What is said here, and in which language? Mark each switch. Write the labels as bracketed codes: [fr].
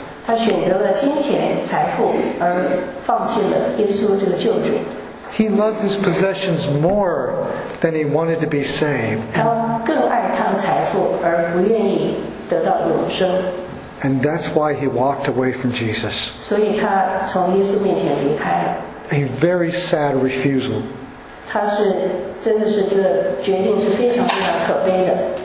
[zh] 他选择了金钱财富而放弃了耶稣这个救主。 [en] He loved his possessions more than he wanted to be saved. [zh] 他更爱他的财富而不愿意得到永生。 [en] And that's why he walked away from Jesus. [zh] 所以他从耶稣面前离开了。 [en] A very sad refusal. [zh] 他是真的是这个决定是非常非常可悲的。